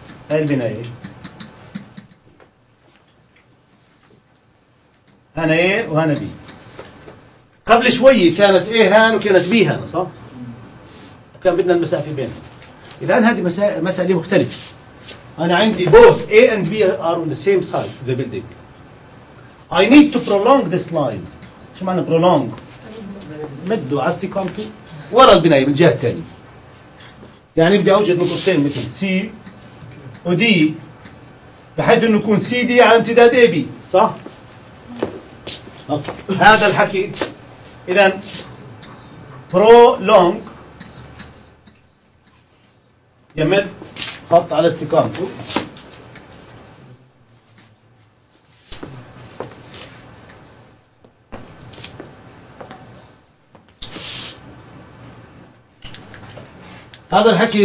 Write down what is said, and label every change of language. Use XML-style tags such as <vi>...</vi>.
<ar>هاي البنايه هنا A وهنا B، قبل شوية كانت A هان وكانت B هان، صح؟ كان بدنا المسافة بينهم. الآن هذه مسألة مختلفة، أنا عندي</ar> <en>both A and B are on the same side of the building. I need to prolong this line.</en> <ar>شو معنى prolong؟ مدوا عستيكم ورا البناية من الجهة الثانية، يعني بدي أوجد نقطتين مثل C و D بحيث أنه يكون CD على امتداد AB، صح؟ أوكي. هذا الحكي اذا برو لونج يمد خط على استقامته هذا الحكي.</ar>